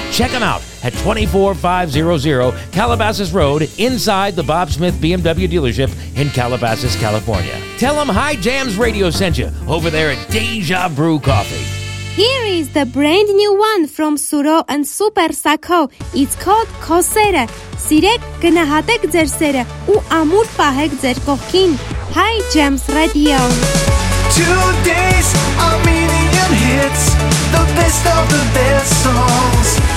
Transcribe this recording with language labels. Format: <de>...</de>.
<en>Check them out at 24500 Calabasas Road inside the Bob Smith BMW dealership in Calabasas, California. Tell them Hi Jams Radio sent you over there at Deja Brew Coffee. Here is the brand new one from Suro and Super Sako. It's called Kosere.</en> <hy>Սիրեք, գնահատեք ձեր սերը ու ամուր պահեք ձեր կողքին.</hy> <en>Hi Jams Radio. Today's Armenian hits, the best of the best songs.</en>